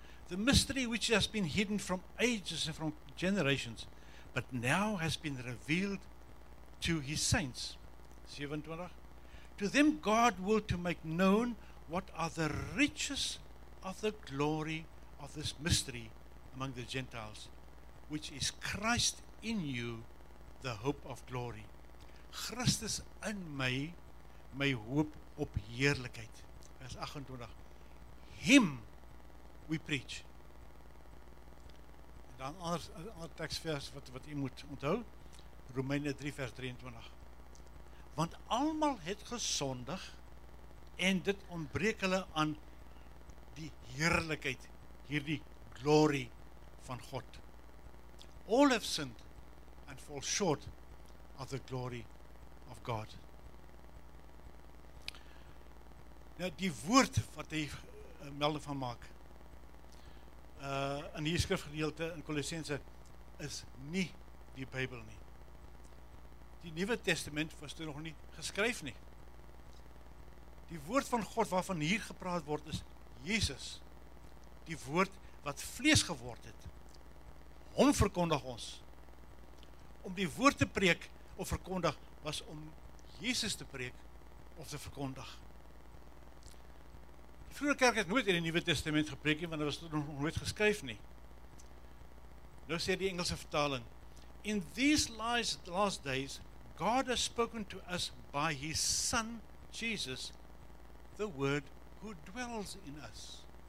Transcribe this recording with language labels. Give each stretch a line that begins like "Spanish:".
English: The mystery which has been hidden from ages and from generations, but now has been revealed to his saints. 27. To them God will to make known what are the riches of the glory of this mystery among the Gentiles, which is Christ in you, the hope of glory.
Afrikaans: Christus in my, my hoop op heerlijkheid. Vers 28.
English: Him we preach.
Afrikaans: En dan ander tekstvers wat u moet onthou. Romeine 3 vers 23. Want almal het gesondig en dit ontbreek hulle aan die heerlijkheid, hierdie glory van God.
English: All have sinned and fall short of the glory of God.
Afrikaans: Nou die woord wat hy melding van maak in die skrifgedeelte in Kolossense is nie die Bybel nie. Die Nuwe Testament was toe nog nie geskryf nie. Die woord van God waarvan hier gepraat word is Jesus. Die woord wat vlees geword het. Hom verkondig ons. Om die woord te preek of verkondig was om Jesus te preek of te verkondig. Die vroeë kerk het nooit in die Nuwe Testament gepreek, want dit was nog nooit geskryf nie. Nou sê die Engelse vertaling,
English: in these last days, God has spoken to us by his son, Jesus, the word who dwells in us.